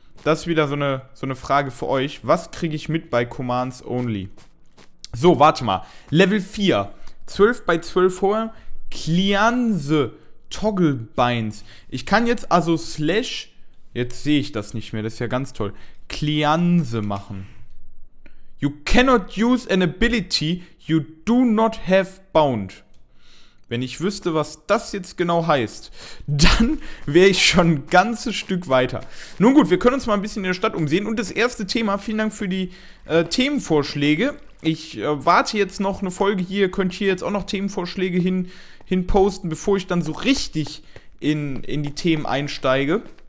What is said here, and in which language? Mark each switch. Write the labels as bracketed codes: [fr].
[de] Das ist wieder so eine Frage für euch. Was kriege ich mit bei Commands Only? So, warte mal. Level 4. 12 bei 12 vorher. Klianse Toggle Binds. Ich kann jetzt also Slash... Jetzt sehe ich das nicht mehr. Das ist ja ganz toll. Klianse machen. [en] You cannot use an ability you do not have bound. [de] Wenn ich wüsste, was das jetzt genau heißt, dann wäre ich schon ein ganzes Stück weiter. Nun gut, wir können uns mal ein bisschen in der Stadt umsehen. Und das erste Thema, vielen Dank für die Themenvorschläge. Ich warte jetzt noch eine Folge hier, könnt hier jetzt auch noch Themenvorschläge hin posten, bevor ich dann so richtig in die Themen einsteige.